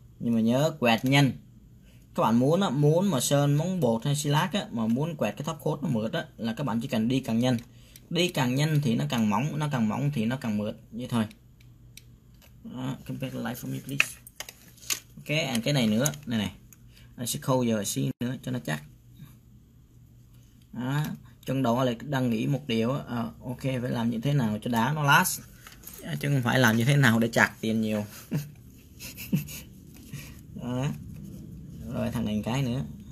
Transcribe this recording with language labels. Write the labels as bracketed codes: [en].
[vi] Nhưng mà nhớ quẹt nhanh. Các bạn muốn mà sơn móng bột hay xi lát á, mà muốn quẹt cái top coat nó mượt á, là các bạn chỉ cần đi càng nhanh. Đi càng nhanh thì nó càng mỏng thì nó càng mượt vậy thôi. Đó, [en] come back the light for me please. [vi] Ok, ăn cái này nữa. Này này. Anh sẽ khâu giờ xi nữa cho nó chắc. Đó, trong đầu lại đang nghĩ một điều á, ok phải làm như thế nào cho đá nó last. Chứ không phải làm như thế nào để chặt tiền nhiều. Đó. Rồi thằng này một cái nữa.